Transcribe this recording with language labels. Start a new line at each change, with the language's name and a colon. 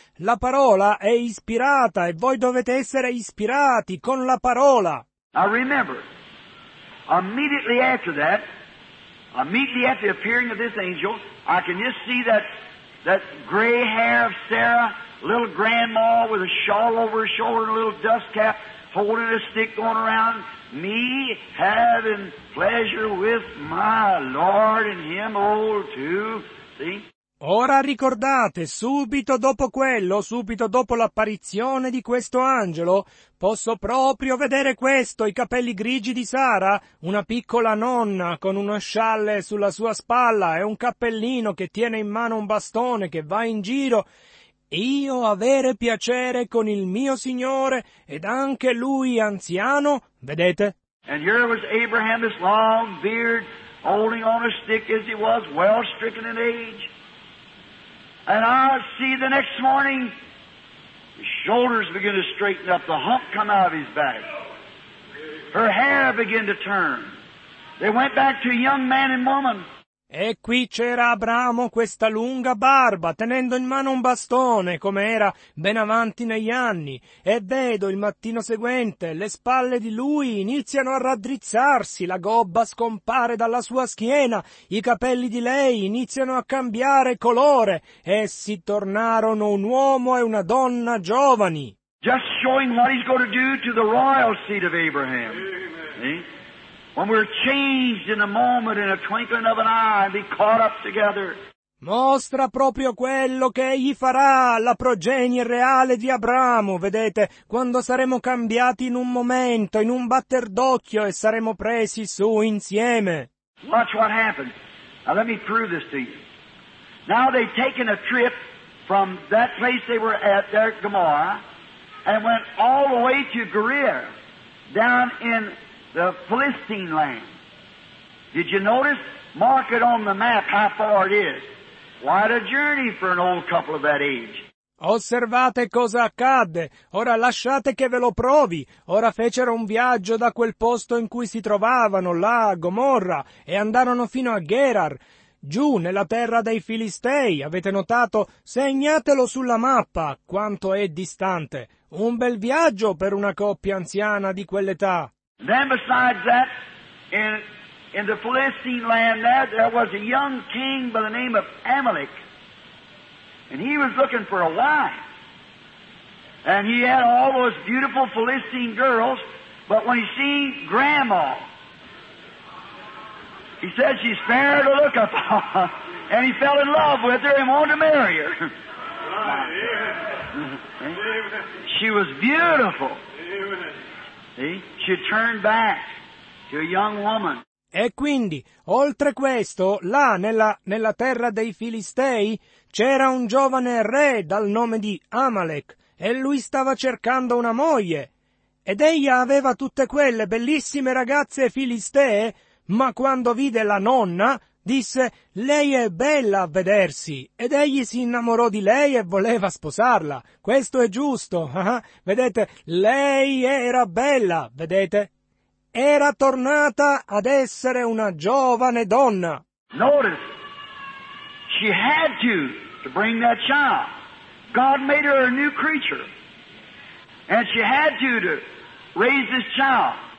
Italian: La parola è ispirata e voi dovete essere ispirati con la parola.
English: Now remember, immediately after that, immediately after the appearing of this angel, I can just see that gray hair of Sarah, little grandma with a shawl over her shoulder and a little dust cap, holding a stick going around, me having pleasure with my Lord and him old too. See?
Italian: Ora ricordate, subito dopo quello, subito dopo l'apparizione di questo angelo, posso proprio vedere questo, i capelli grigi di Sara, una piccola nonna con uno scialle sulla sua spalla e un cappellino che tiene in mano un bastone che va in giro. Io avere piacere con il mio Signore ed anche lui anziano, vedete?
English: And here was Abraham, this long beard, holding on a stick as he was, well stricken in age. And I see the next morning, his shoulders begin to straighten up, the hump come out of his back. Her hair began to turn. They went back to a young man and woman.
Italian: E qui c'era Abramo, questa lunga barba, tenendo in mano un bastone, come era ben avanti negli anni. E vedo il mattino seguente, le spalle di lui iniziano a raddrizzarsi, la gobba scompare dalla sua schiena, i capelli di lei iniziano a cambiare colore, essi tornarono un uomo e una donna giovani.
English: Just showing what he's going to do to the royal seed of Abraham. Amen. When we're changed in a moment, in a twinkling of an eye, and be caught up together.
Italian: Mostra proprio quello che egli farà alla progenie reale di Abramo, vedete, quando saremo cambiati in un momento, in un batter d'occhio, e saremo presi su insieme.
English: Watch what happened. Now let me prove this to you. Now they've taken a trip from that place they were at, there at Gomorrah, and went all the way to Gerar, down in the Philistine land. Did you notice? Mark it on the map how far it is. What a journey for an old couple of that age.
Italian: Osservate cosa accadde. Ora lasciate che ve lo provi. Ora fecero un viaggio da quel posto in cui si trovavano, là a Gomorra, e andarono fino a Gerar, giù nella terra dei Filistei. Avete notato? Segnatelo sulla mappa quanto è distante. Un bel viaggio per una coppia anziana di quell'età.
English: Then besides that, in the Philistine land there was a young king by the name of Amalek. And he was looking for a wife. And he had all those beautiful Philistine girls, but when he seen Grandma, he said she's fair to look upon. And he fell in love with her and wanted to marry her. She was beautiful. She turned back to a young woman.
Italian: E quindi, oltre questo, là nella terra dei Filistei, c'era un giovane re dal nome di Amalek, e lui stava cercando una moglie. Ed egli aveva tutte quelle bellissime ragazze filistee, ma quando vide la nonna, disse, lei è bella a vedersi, ed egli si innamorò di lei e voleva sposarla. Questo è giusto, vedete, lei era bella, vedete? Era tornata ad essere una giovane donna.
English: Notice, she had to bring that child. God made her a new creature, and she had to raise this child.